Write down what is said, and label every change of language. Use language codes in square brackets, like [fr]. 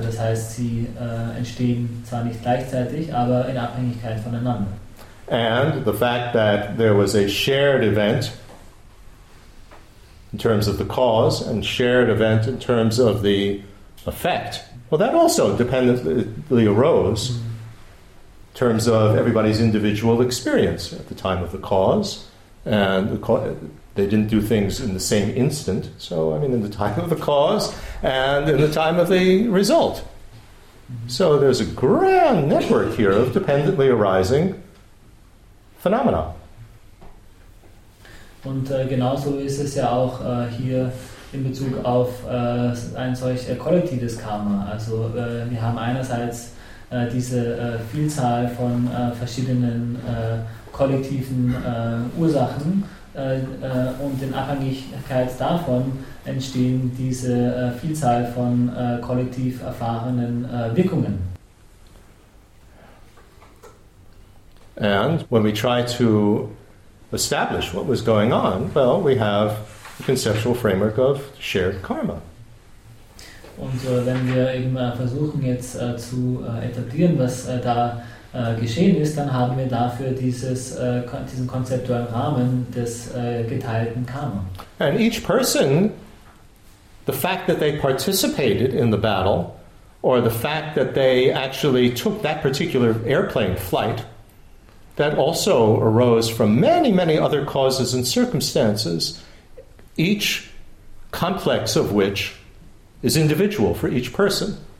[de] Das heißt, sie entstehen zwar nicht gleichzeitig, aber in Abhängigkeit voneinander. [en] And the fact that there was a shared event in terms of the cause and shared event in terms of the effect, well, that also dependently arose in terms of everybody's individual experience at the time of the cause. And the they didn't do things in the same instant. So, I mean, in the time of the cause and in the time of the result. So there's a grand network here of dependently arising phenomena. [de] Und genauso ist es ja auch hier in Bezug auf ein solch kollektives Karma. Also wir haben einerseits diese Vielzahl von verschiedenen kollektiven Ursachen und in Abhängigkeit davon entstehen diese Vielzahl von kollektiv erfahrenen Wirkungen. [en] And when we try to establish what was going on, well, we have a conceptual framework of shared karma. [de] Und wenn wir eben versuchen jetzt zu etablieren, was da geschehen ist, dann haben wir dafür dieses diesen konzeptuellen Rahmen des geteilten Karma. [en] And each person, the fact that they participated in the battle, or the fact that they actually took that particular airplane flight, that also arose from many, many other causes and circumstances, each complex of which is individual for each person.